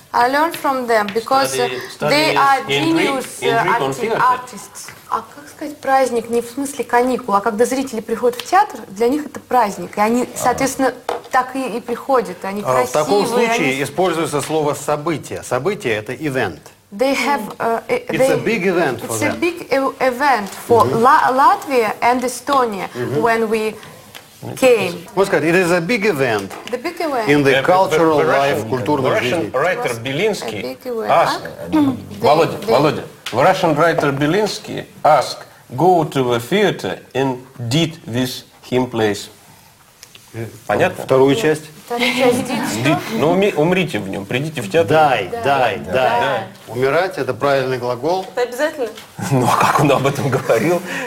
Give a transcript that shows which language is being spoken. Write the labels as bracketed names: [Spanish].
[English] I learn from them because they are genius artists. [Russian] А как сказать праздник не в смысле каникул, а когда зрители приходят в театр, для них это праздник. И они, соответственно, так и приходят. Они красивые. В таком случае используется слово «событие». Событие – это event. [English] They have, it's a big event for it's them. It's a big event for Latvia and Estonia when we came. [Russian] Можно сказать, [English] it is a big event, the big event. In the cultural life, [Russian] культурной жизни. [English] Russian writer Belinsky asked, Володя, Russian writer Belinsky asked, go to the theater and did this him place. [Russian] Понятно? Вторую часть? Ну, умрите в нем, придите в театр. Дай. Умирать – это правильный глагол. Это обязательно? Ну, а как он об этом говорил?